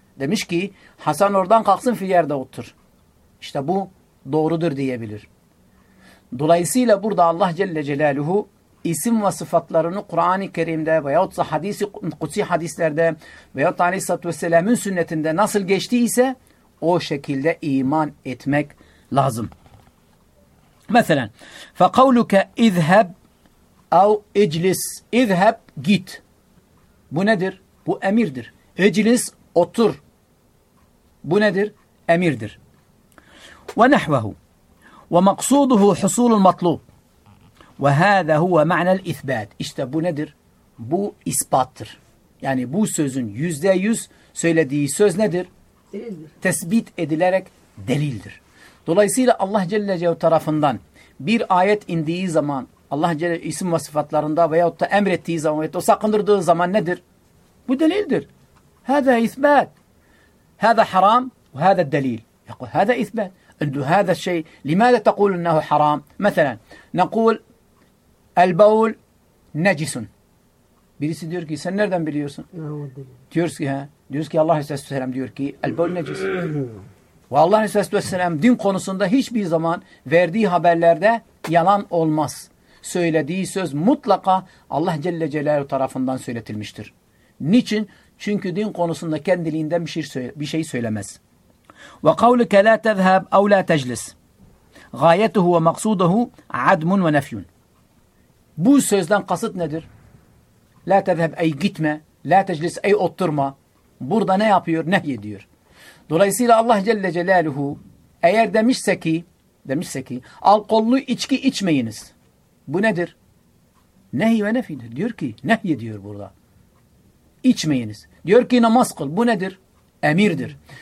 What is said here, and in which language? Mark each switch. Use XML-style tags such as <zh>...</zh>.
<tr>Demiş ki Hasan oradan kalksın fil yerde otur. İşte bu doğrudur diyebilir. Dolayısıyla burada Allah Celle Celaluhu isim ve sıfatlarını Kur'an-ı Kerim'de veyahut da hadisi kutsi hadislerde veyahut da Aleyhisselatü Vesselam'ın sünnetinde nasıl geçtiyse o şekilde iman etmek lazım.</tr> <ar>Mesela فَقَوْلُكَ اِذْهَبْ اَوْ اِجْلِسْ اِذْهَبْ git.</ar> <tr>Bu nedir? Bu emirdir. اِجْلِسْ otur. Bu nedir? Emirdir.</tr> <ar>وَنَحْوَهُ وَمَقْصُودُهُ حُصُولُ الْمَطْلُوبُ وَهَذَا هُوَ مَعْنَى الْإِثْبَاتِ</ar> <tr>İşte bu nedir? Bu ispattır. Yani bu sözün %100 söylediği söz nedir? Delildir. Tespit edilerek delildir. Dolayısıyla Allah Celle Celaluhu tarafından bir ayet indiği zaman Allah Celle isim ve sıfatlarında veyahut da emrettiği zaman veyahut da sakındırdığı zaman nedir? Bu delildir.</tr> <ar>هذا إثبات. هذا حرام وهذا الدليل. يقول هذا إثبات. أنه هذا الشيء. لماذا تقول أنه حرام؟ مثلا نقول البول نجس.</ar> <tr>Birisi diyor ki sen nereden biliyorsun? Diyoruz ki ha. Diyoruz ki Allah Resulü Aleyhisselam diyor ki</tr> <ar>البول نجس.</ar> <tr>Ve Allah Resulü Aleyhisselam din konusunda hiçbir zaman verdiği haberlerde yalan olmaz. Söylediği söz mutlaka Allah Celle Celaluhu tarafından söyletilmiştir. Niçin? Çünkü din konusunda kendiliğinden bir şey söylemez.</tr> <ar>وَقَوْلُكَ لَا تَذْهَبْ اَوْ لَا تَجْلِسْ غَايَتُهُ وَمَقْصُودَهُ عَدْمٌ وَنَفْيٌ</ar> <tr>Bu sözden kasıt nedir?</tr> <ar>لَا تَذْهَبْ اَيْ gitme, لَا تَجْلِسْ اَيْ oturma.</ar> <tr>Burada ne yapıyor? Nehyediyor. Dolayısıyla Allah Celle Celaluhu eğer demişse ki alkollü içki içmeyiniz. Bu nedir? Nehy ve nefidir. Diyor ki nehyediyor burada. İçmeyiniz. Diyor ki namaz kıl. Bu nedir? Emirdir.</tr>